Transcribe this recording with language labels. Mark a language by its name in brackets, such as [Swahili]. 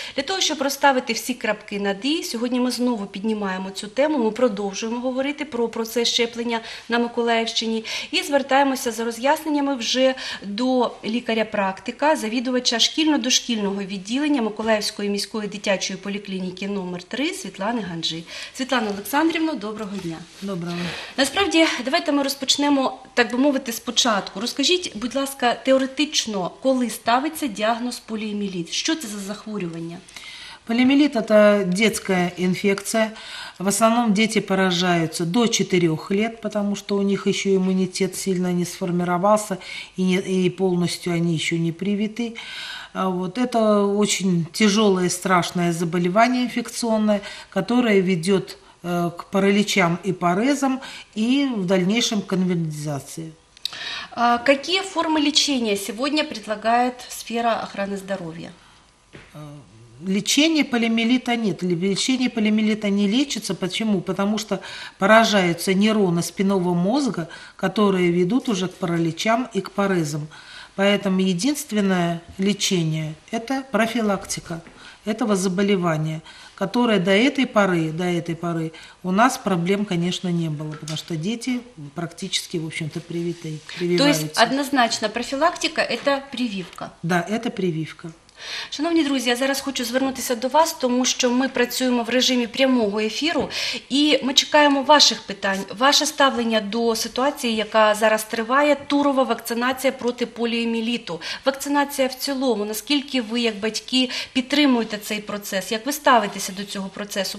[Ukrainian] Для того, щоб розставити всі крапки над «і», сьогодні ми знову піднімаємо цю тему, ми продовжуємо говорити про процес щеплення на Миколаївщині і звертаємося за роз'ясненнями вже до лікаря-практика, завідувача шкільно-дошкільного відділення Миколаївської міської дитячої поліклініки номер 3 Світлани Ганджі. Світлана Олександрівна, доброго дня. Доброго. Насправді, давайте ми розпочнемо, так би мовити, спочатку. Розкажіть, будь ласка, теоретично, коли ставиться діагноз поліоміеліт? Що це за захворювання? [Russian] Полиомиелит – это детская инфекция. В основном дети поражаются до 4 лет, потому что у них еще иммунитет сильно не сформировался и полностью они еще не привиты. Вот. Это очень тяжелое и страшное заболевание инфекционное, которое ведет к параличам и парезам и в дальнейшем к инвалидизации. А какие формы лечения сегодня предлагает сфера охраны здоровья? Лечения полиомиелита нет. Лечение полиомиелита не лечится. Почему? Потому что поражаются нейроны спинного мозга, которые ведут уже к параличам и к парезам. Поэтому единственное лечение – это профилактика этого заболевания, которое до этой поры у нас проблем, конечно, не было, потому что дети практически, в общем-то, прививаются. То есть однозначно профилактика – это прививка? Да, это прививка. [Ukrainian] Шановні друзі, я зараз хочу звернутися до вас, тому що ми працюємо в режимі прямого ефіру, і ми чекаємо ваших питань, ваше ставлення до ситуації, яка зараз триває, турова вакцинація проти поліоміеліту. Вакцинація в цілому, наскільки ви, як батьки, підтримуєте цей процес, як ви ставитеся до цього процесу?